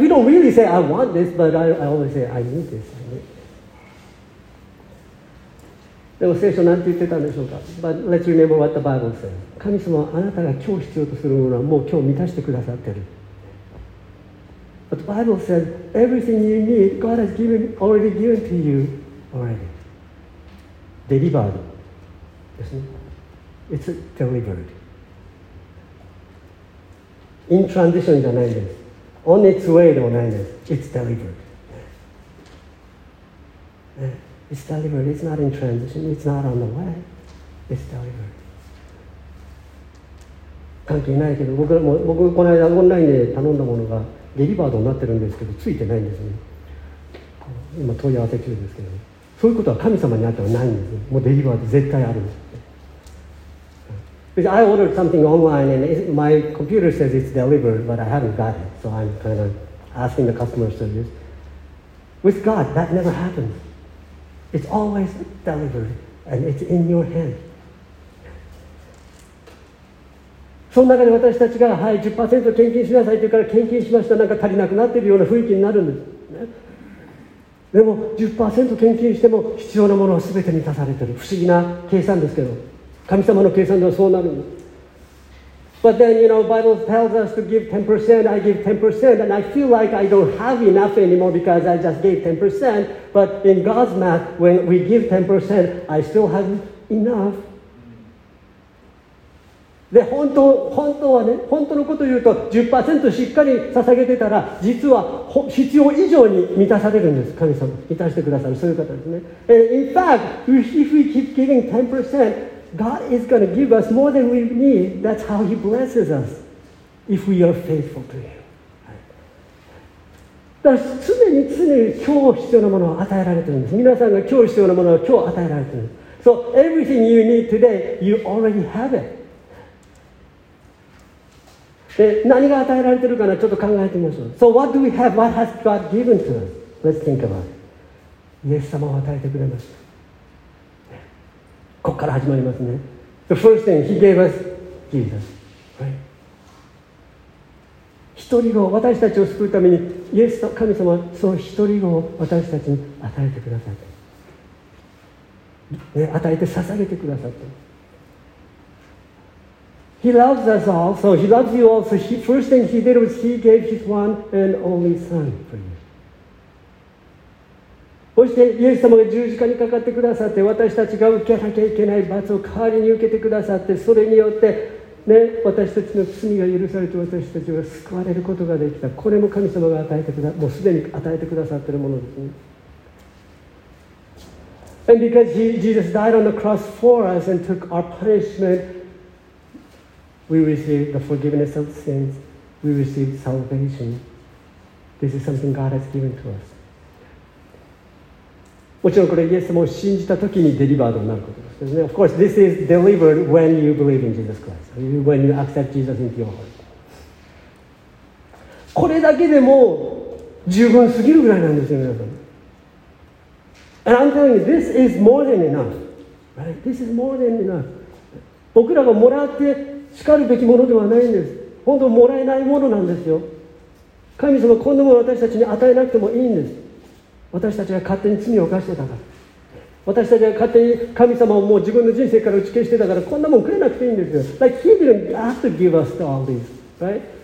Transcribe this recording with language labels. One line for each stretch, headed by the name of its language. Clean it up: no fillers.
English: We don't really say I want this, but I always say I need this.
Japanese: でも聖書なんて言ってたんでしょうか。
English: But let's remember what the Bible says.
Japanese: 神様はあなたが今日必要とするものはもう今日満たしてくださってる。
English: But the Bible says everything you need God has given, already given to you already. Delivered.
Japanese: ですね。
English: It's delivered. In transition
Japanese: じゃないです。
English: On its way
Japanese: でもないです。
English: It's delivered. It's delivered. It's not in transition. It's not on the way. It's delivered.
Japanese: 関係ないけど、僕この間オンラインで頼んだものがデリバードになってるんですけど、ついてないんですね。今問い合わせ中ですけど、そういうことは神様にあってはないんです。もうデリバード絶対あるんです。
English: Because I ordered something online and my computer says it's delivered, but I haven't got it. So I'm kind of asking the customer service. With God, that never happens. It's always delivered, and it's in your hand.
Japanese: その中で私たちが、はい、10% 献金しなさいというから献金しました、なんか足りなくなっているような雰囲気になるんです。でも 10% 献金しても必要なものは全て満たされている。不思議な計算ですけど、神様の計算ではそうなるんです。
English: But then, you know, Bible tells us to give 10%, I give 10%, and I feel like I don't have enough anymore because I just gave 10%. But in God's math, when we give 10%, I still have enough.
Japanese: で、本当はね、本当のことを言うと、10% しっかり捧げてたら、実は必要以上に満たされるんです。神様、満たしてくださる、そういう方ですね。
English: And in fact, if we keep giving 10%,God is going to give us more than we need. That's how He blesses us if we are faithful to Him.
Japanese: だから常に常に今日必要なものを与えられているんです。皆さんが今日必要なものを今日与えられている。
English: So everything you need today, you already have it.
Japanese: で、何が与えられているかなちょっと考えてみましょう。
English: So what do we have? What has God given to us? Let's think about it.
Japanese: イエス様を与えてくれました。ここから始まりますね。
English: The first thing he gave us, Jesus. Right?
Japanese: 人人子を私たちを救うためにイエス神様はその一人子を私たちに与えてくださって、ね、与えて捧げてくださって
English: He loves us all, so He loves you all. So he, first thing He did was He gave His one and only Son for you.
Japanese: そしてイエス様が十字架にかかってくださって私たちが受けなきゃいけない罰を代わりに受けてくださってそれによってね、私たちの罪が許されて私たちが救われることができたこれも神様が与えてくださもうすでに与えてくださっているものですね
English: And because he, Jesus died on the cross for us and took our punishment we received the forgiveness of sins we received salvation this is something God has given to us
Japanese: もちろんこれイエス様を信じた時にデリバードになることです
English: Of course, this is delivered when you believe in Jesus Christ, when you accept Jesus into your heart.
Japanese: これだけでも十分すぎるぐらいなんですよ、皆さん。
English: And I'm telling you, this is more than enough. Right? This is more than enough.
Japanese: 僕らがもらって叱るべきものではないんです。本当もらえないものなんですよ。神様、こんなもの私たちに与えなくてもいいんです。私たちが勝手に罪を犯してたから。私たちは勝手に神様をもう自分の人生から打ち消してたからこんなもんくれなくていいんですよ。
English: Like, he didn't have to give us all this, right?